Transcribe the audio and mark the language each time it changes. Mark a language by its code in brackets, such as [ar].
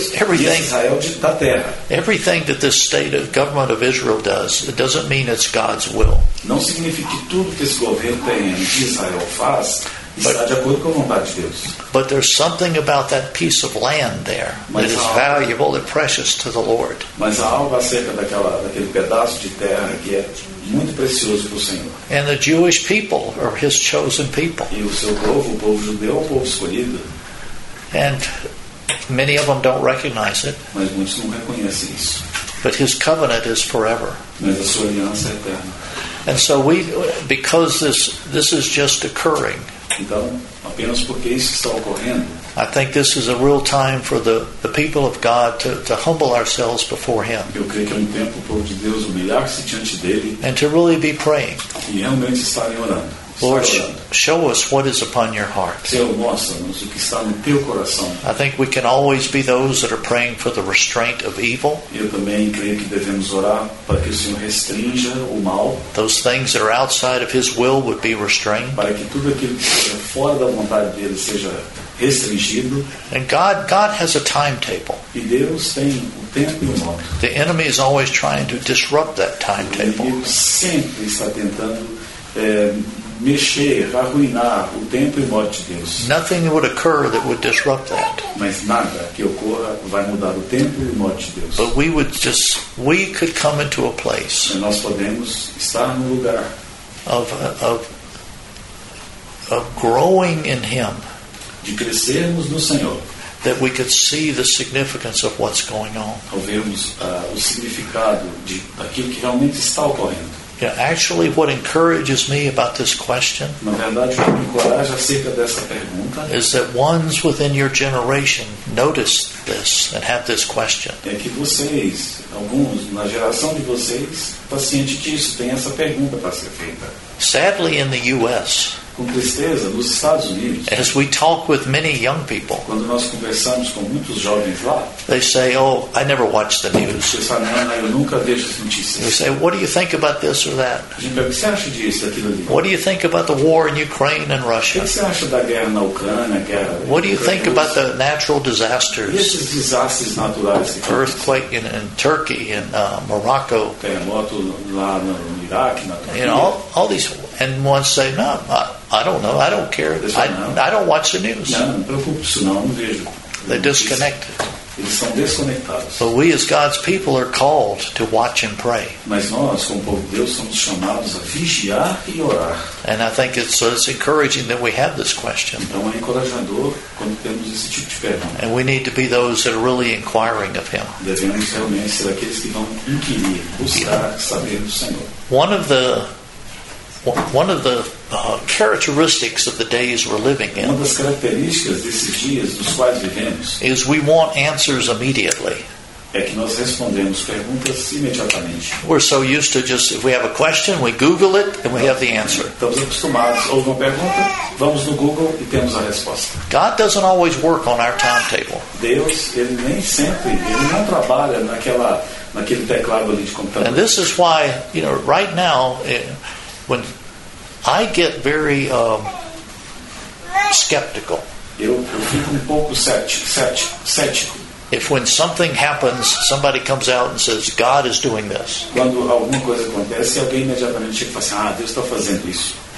[en] Everything that this state of government of Israel does, it doesn't mean it's God's will. [pt] Não significa que tudo que esse governo tem de Israel faz está de acordo com a vontade de Deus. [en] But there's something about that piece of land there that is valuable and precious to the Lord. [pt] Mas há algo acerca daquele pedaço de terra que é muito precioso para o Senhor. [en] And the Jewish people are His chosen people. [pt] E o seu povo, o povo judeu, o povo escolhido. [en] And many of them don't recognize it. [pt] Mas muitos não reconhecem isso. [en] But His covenant is forever. [pt] Mas a sua aliança é eterna. [en] And so because this is just occurring. [pt] Então, apenas porque isso está ocorrendo. [en] I think this is a real time for the people of God to humble ourselves before Him. [pt] Eu creio que é tempo para o povo de Deus humilhar-se diante dele. [en] And to really be praying. [pt] E realmente estarem orando. [en] Lord, show us what is upon your heart. [pt] Senhor, mostra-nos o que está no teu coração. [en] I think we can always be those that are praying for the restraint of evil. [pt] Eu também creio que devemos orar para que o Senhor restrinja o mal. [en] Those things that are outside of His will would be restrained. [pt] Para que tudo aquilo que seja fora da vontade dele seja restringido. [en] And God has a timetable. [pt] E Deus tem o tempo e o modo. [en] The enemy is always trying to disrupt that timetable. [pt] O inimigo sempre está tentando mexer, arruinar o tempo e morte de Deus. [en] Nothing would occur that would disrupt that. [pt] Mas nada que ocorra vai mudar o tempo e morte de Deus. [en] But we could come into a place. [pt] E nós podemos estar num lugar [en] of growing in Him. [pt] De crescermos no Senhor. [en] That we could see the significance of what's going on. [pt] Ao vermos o significado de aquilo que realmente está ocorrendo. [en] Yeah, actually, what encourages me about this question is that ones within your generation notice this and have this question. [pt] É que vocês, alguns na geração de vocês, tá ciente disso, tem essa pergunta para ser feita. [en] Sadly, in the U.S., [pt] com tristeza, nos Estados Unidos, [en] as we talk with many young people, [pt] quando nós conversamos com muitos jovens lá, [en] they say, oh, I never watch the news. [pt] Eles falam, não, eu nunca vejo as notícias. [en] They say, what do you think about this or that? [pt] O que você acha disso, aquilo ali? [en] What do you think about the war in Ukraine and Russia? [pt] O que você acha da guerra na Ucrânia, guerra? [en] What do you think about the natural disasters? [pt] E esses desastres naturais? [en] Earthquake in Turkey and Morocco. [pt] Terremoto lá no Iraque, na Turquia. [en] All these. And ones say, no, I don't know, I don't care. I don't watch the news. [pt] Não, não preocupo, senão, não vejo. [en] They're disconnected. [pt] Eles são desconectados. [en] But we as God's people are called to watch and pray. [pt] Mas nós, como povo de Deus, somos chamados a vigiar e orar. [en] And I think it's encouraging that we have this question. [pt] Então é encorajador quando temos esse tipo de pergunta. [en] And we need to be those that are really inquiring of Him. [pt] Devemos realmente ser aqueles que vão inquirir, buscar saber do Senhor. [en] One of the characteristics of the days we're living in is we want answers immediately. [pt] É que nós respondemos perguntas imediatamente. [en] We're so used to just, if we have a question, we Google it and we have the answer. [pt] Estamos acostumados, houve uma pergunta, vamos no Google e temos a resposta. [en] God doesn't always work on our timetable. [pt] Deus, Ele nem sempre, Ele não trabalha naquele teclado ali de computador. [en] And this is why, you know, right now, when I get very skeptical, [pt] eu fico pouco cético. [en] If when something happens, somebody comes out and says, God is doing this. [pt] Quando alguma coisa acontece, alguém imediatamente chega e fala assim, Deus está fazendo isso.